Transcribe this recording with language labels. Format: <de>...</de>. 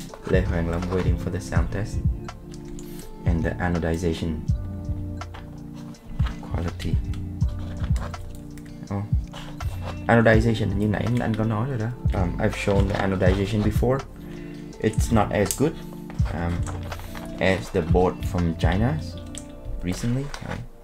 <en>Lê Hoàng Long waiting for the sound test and the anodization quality.</en> <vi>Oh, anodization như nãy anh có nói rồi đó.</vi> <en>I've shown the anodization before. It's not as good as the board from China recently, right?</en>